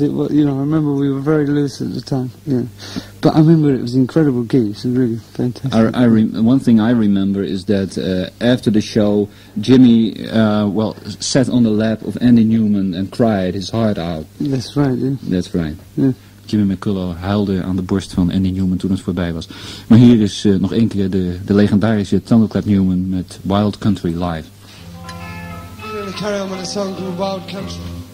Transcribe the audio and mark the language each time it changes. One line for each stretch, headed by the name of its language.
English: I remember we were very loose at the time. Yeah. But I remember it was incredible geese and really fantastic. One thing I remember is that after the show, Jimmy sat on the lap of Andy Newman and cried his heart out. That's right, yeah. That's right. Yeah.
Dutch: Jimmy McCullough huilde aan de borst van Andy Newman toen het voorbij was. Maar hier is nog één keer de legendarische Thunderclap Newman met Wild Country Live.
English: We're going to carry on with a song called Wild Country.